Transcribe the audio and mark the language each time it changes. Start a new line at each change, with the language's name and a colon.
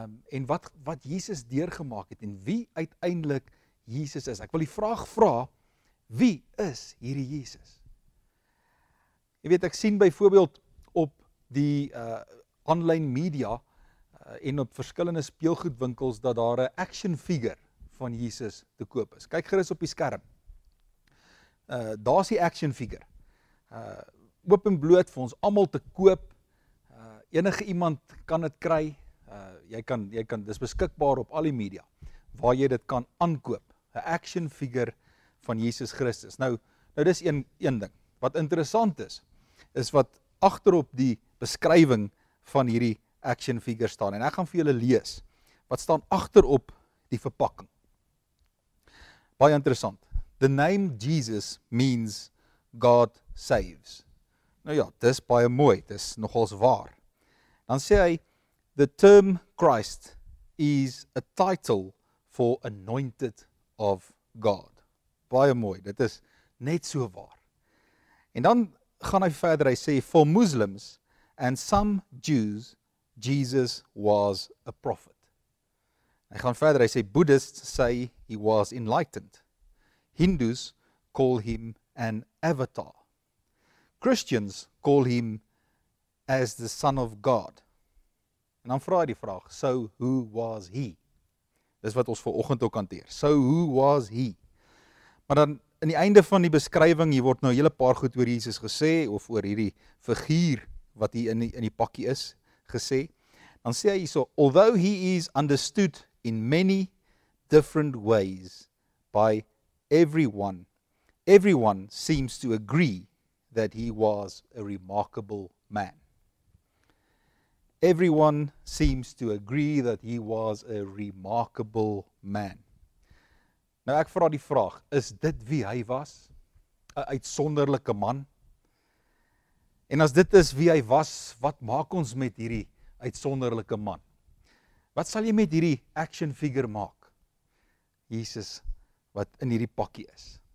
Afrikaans: En wat Jesus deurgemaak het en wie uiteindelik Jesus is. Ek wil die vraag vra, wie is hierdie Jesus? Jy weet, ek sien byvoorbeeld op die online media en op verskillende speelgoedwinkels dat daar 'n action figure van Jesus te koop is. Kyk gerus op die skerm. Daar's die action figure. Oop en bloot vir ons almal te koop. Enige iemand kan dit kry. Jy kan dis beskikbaar op al die media waar jy dit kan aankoop. 'n Action figure van Jesus Christus. Nou dis een ding. Wat interessant is wat agterop die beskrywing van hierdie action figure staan en ek gaan vir julle lees. Wat staan agterop die verpakking? Baie interessant.
English: The name Jesus means God saves.
Afrikaans: Nou ja, dis baie mooi, dis nogals waar. Dan sê hy,
English: the term Christ is a title for anointed of God.
Afrikaans: Baie mooi, dit is net so waar. En dan gaan hy verder, hy sê,
English: for Muslims and some Jews, Jesus was a prophet.
Afrikaans: Hy gaan verder, hy sê,
English: Buddhists say he was enlightened. Hindus call him an avatar. Christians call him as the son of God.
Afrikaans: En dan vra hy die vraag,
English: so who was he?
Afrikaans: Dis wat ons vanoggend ook hanteer.
English: So who was he?
Afrikaans: Maar dan, in die einde van die beskrywing, hier word nou 'n hele paar goed oor Jesus gesê, of oor hierdie figuur wat hier in die pakkie is, gesê. Dan sê hy so,
English: although he is understood in many different ways by everyone. Everyone seems to agree that he was a remarkable man. Everyone seems to agree that he was a remarkable man.
Afrikaans: Nou ek vra die vraag, is dit wie hy was? 'n Uitsonderlike man? En as dit is wie hy was, wat maak ons met hierdie uitsonderlike man? Wat sal jy met hierdie action figure maak? Jesus wat in hierdie pakkie is.